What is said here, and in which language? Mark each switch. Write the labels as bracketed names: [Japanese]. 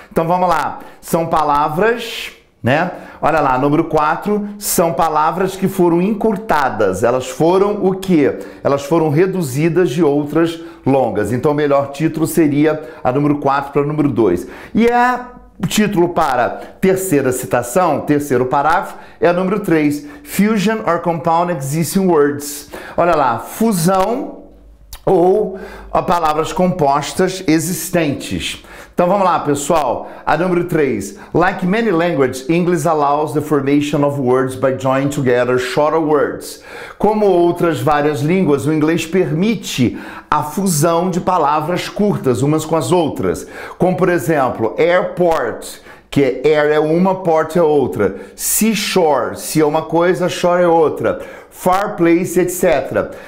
[Portuguese] Então vamos lá, são palavras, né? Olha lá, número 4, são palavras que foram encurtadas. Elas foram o quê? Elas foram reduzidas de outras longas. Então o melhor título seria a número 4 para a número 2. E é título para terceira citação, terceiro parágrafo, é a número 3. [English] Fusion or compound existing words. [Portuguese] Olha lá, fusão ou palavras compostas existentes. Então vamos lá, pessoal. A número 3. [English] Like many languages, English allows the formation of words by joining together shorter words. [Portuguese] Como outras várias línguas, o inglês permite a fusão de palavras curtas umas com as outras. Como, por exemplo, airport, que é air é uma, port é outra. Seashore, se é uma coisa, shore é outra. Fireplace, etc.